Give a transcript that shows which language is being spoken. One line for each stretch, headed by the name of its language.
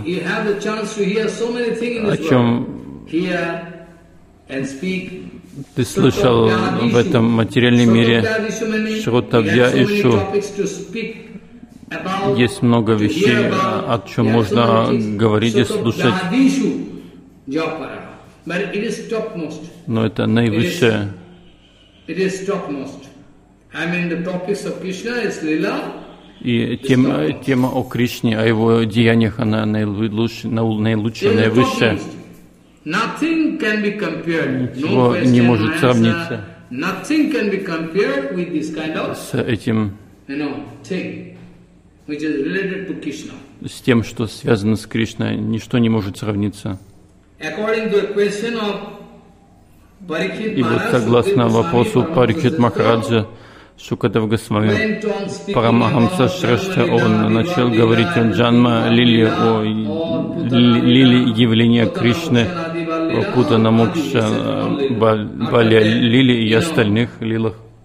English: you have the chance to hear so many things in this world. Hear and speak.
Russian: Ты слышал в этом материальном мире
Sanskrit: sotabhya vishu.
Russian: Есть много вещей, о чем можно говорить и слушать.
Sanskrit: Sotabhya vishu japara.
English: But it is topmost.
Russian: Но это наивысшее.
English: It is topmost. I mean, the topics of Krishna is lila.
Russian: И тема о Кришне, о его деяниях, она наилучшая, наивысшая.
English: Nothing can be compared.
Russian: Ничего не может сравниться.
English: Nothing can be compared with this kind of.
Russian: С этим.
English: You know, thing, which is related to Krishna.
Russian: С тем, что связано с Кришной, ничто не может сравниться.
English: According to a question of Parikshit Maharaj,
Russian: и вот согласно вопросу Парикшит Махараджа, Шукадев Госвами, Парамахамса Шрештха, он начал говорить о Джанма Лиле, о Лиле явления Кришны, о Путанамокша, Бали Лиле и остальных лилах.